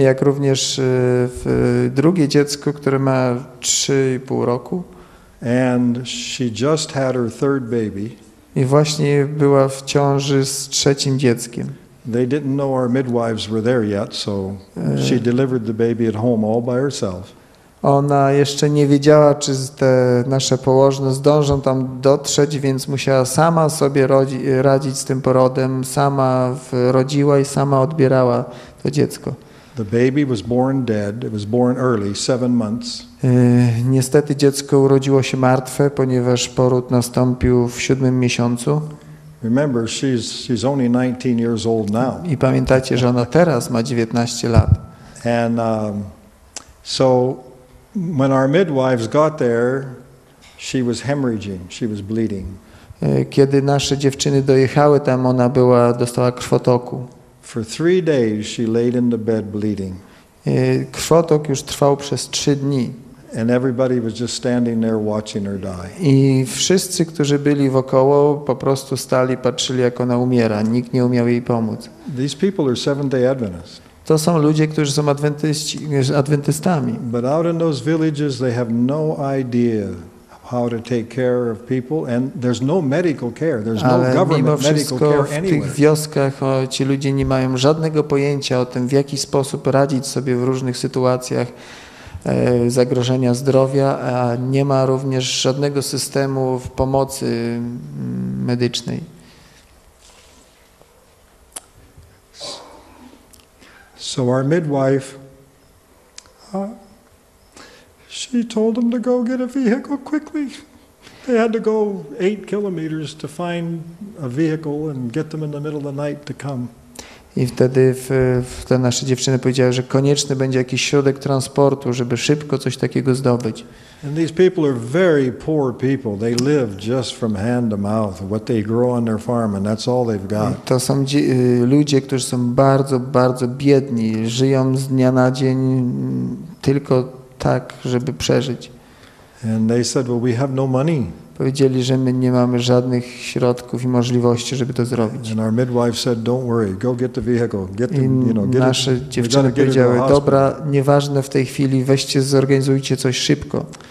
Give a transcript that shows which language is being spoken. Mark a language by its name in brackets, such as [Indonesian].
[Polish] Jak również drugie dziecko, które ma 3,5 roku. [English] And she just had her third baby. [Polish] I właśnie była w ciąży z trzecim dzieckiem. [English] They didn't know our midwives were there yet, so she delivered the baby at home all by herself. [Polish] Ona jeszcze nie wiedziała, czy te nasze położne zdążą tam dotrzeć, więc musiała sama sobie radzić z tym porodem, sama rodziła i sama odbierała to dziecko. [English] The baby was born dead. It was born early, 7 months. [Polish] Niestety dziecko urodziło się martwe, ponieważ poród nastąpił w 7 miesiącu. [English] Remember, she's only 19 years old now. [Polish] I pamiętajcie, że ona teraz ma 19 lat. [English] And so when our midwives got there, she was hemorrhaging. She was bleeding. [Polish] Kiedy nasze dziewczyny dojechały tam, ona dostała krwotoku. [English] For 3 days she laid in the bed bleeding. [Polish] Krwotok już trwał przez 3 dni. [English] And everybody was just standing there watching her die. [Polish] I wszyscy, którzy byli wokoło, po prostu stali, patrzyli, jak ona umiera. Nikt nie umiał jej pomóc. [English] These people are Seventh-day Adventists. [Polish] To są ludzie, którzy są adwentystami. [English] But out in those villages they have no idea how to take care of people, and there's no medical care. There's no government medical care anywhere. [Polish] Ale mimo wszystko w tych wioskach ci ludzie nie mają żadnego pojęcia o tym, w jaki sposób radzić sobie w różnych sytuacjach zagrożenia zdrowia, a nie ma również żadnego systemu w pomocy medycznej. [English] So our midwife She told them to go get a vehicle quickly. They had to go 8 kilometers to find a vehicle and get them in the middle of the night to come. [Polish] I wtedy ta nasza dziewczyna powiedziała, że konieczny będzie jakiś środek transportu, żeby szybko coś takiego zdobyć. [English] And these people are very poor people. They live just from hand to mouth, what they grow on their farm, and that's all they've got. [Polish] To są ludzie, którzy są bardzo, bardzo biedni, żyją z dnia na dzień tylko tak, żeby przeżyć. [English] And they said, well, we have no money. [Polish] Powiedzieli, że my nie mamy żadnych środków i możliwości, żeby to zrobić. [English] And our midwife said, don't worry, go get the vehicle. Get the, you know, get [Polish] nasze [English] it. [Polish] Dziewczyny powiedziały, dobra, nieważne w tej chwili, weźcie, zorganizujcie coś szybko.